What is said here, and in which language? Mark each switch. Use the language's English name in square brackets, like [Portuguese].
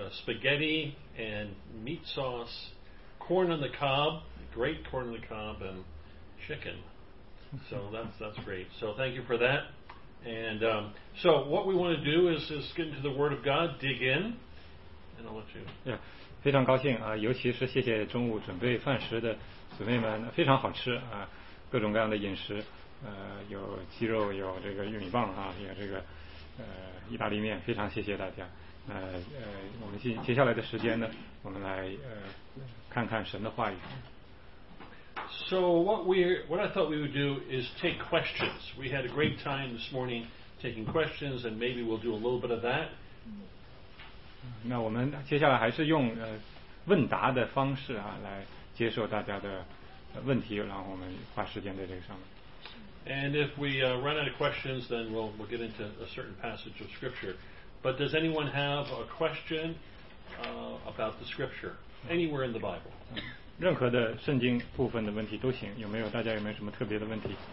[English] Spaghetti and meat sauce. Corn on the cob, great corn on the cob, and chicken. So that's great. So thank you for that. And so what we want to do is get into the Word of God, dig in, and I'll let you. [Chinese] Yeah, 非常高兴啊，尤其是谢谢中午准备饭食的姊妹们，非常好吃啊，各种各样的饮食，有鸡肉，有这个玉米棒啊，有这个意大利面，非常谢谢大家。我们接下来的时间呢，我们来看看神的话语。 [English] So what I thought we would do is take questions. We had a great time this morning taking questions, and maybe we'll do a little bit of that. [Chinese] 那我们接下来还是用问答的方式啊，来接受大家的问题，然后我们花时间在这个上面。 [English] And if we run out of questions, then we'll get into a certain passage of scripture. But does anyone have a question about the scripture anywhere in the Bible? [Chinese] 任何的圣经部分的问题都行。有没有大家有没有什么特别的问题？